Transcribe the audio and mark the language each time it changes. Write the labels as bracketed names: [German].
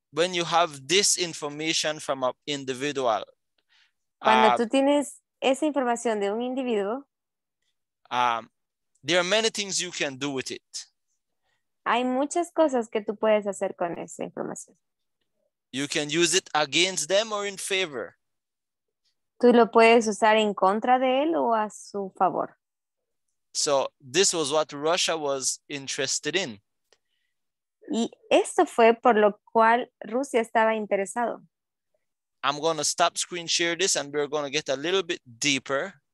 [English] When you have this information from an individual. [Spanish] Cuando tú tienes esa información de un individuo. [English] There are many things you can do with it. [Spanish] Hay muchas cosas que tú puedes hacer con esa información. [English] You can use it against them or in favor. [Spanish] Tú lo puedes usar en contra de él o a su favor. [English] So this was what Russia was interested in. [Spanish] Y esto fue por lo cual Rusia estaba interesado. [English] I'm going to stop screen share this and we're going to get a little bit deeper.